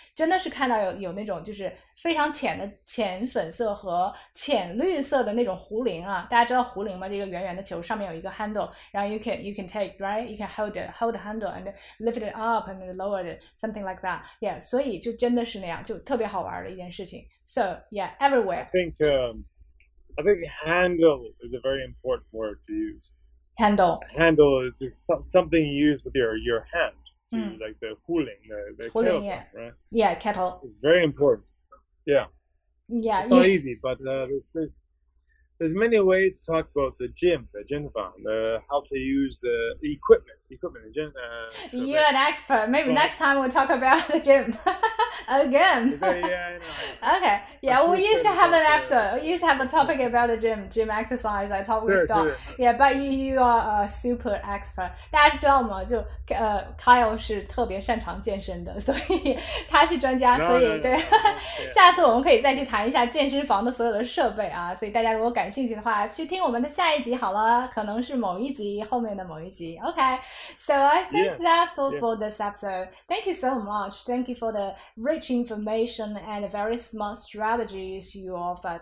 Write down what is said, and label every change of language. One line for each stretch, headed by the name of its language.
Chinese: 真的是看到有那种就是非常浅的浅粉色和浅绿色的那种壶铃啊。大家知道壶铃吗？这个圆圆的球上面有一个 handle, 然后
English: you can take, right? You can hold the handle and lift it up and lower it, something like that.
Chinese: Yeah, 所以就真的是那样，就特别好玩的一件事情。
English: So, yeah, everywhere. I think handle is a very important word to use. Handle. Handle is something you use with your hand. Like the cooling, the kettle, yeah. Right? Yeah, kettle. It's very important. Yeah. Yeah. It's not easy, but there's many ways to talk about the gym, the gym farm, how to use the equipment, the gym. You're an expert. Maybe next time we'll talk about the gym again. Okay. Yeah, we used to have an episode. We used to have a topic about the gym exercise. I talk with Scott. Yeah, but you are a super expert.
Chinese: 大家知道吗？就Kyle 是特别擅长健身的，所以他是专家。所以对，下次我们可以再去谈一下健身房的所有的设备啊。所以大家如果感感兴趣的话，去听我们的下一集好了，可能是某一集后面的某一集。
English: OK，so I think that's all for this episode. Thank you so much. Thank you for the rich information and very smart strategies you offer.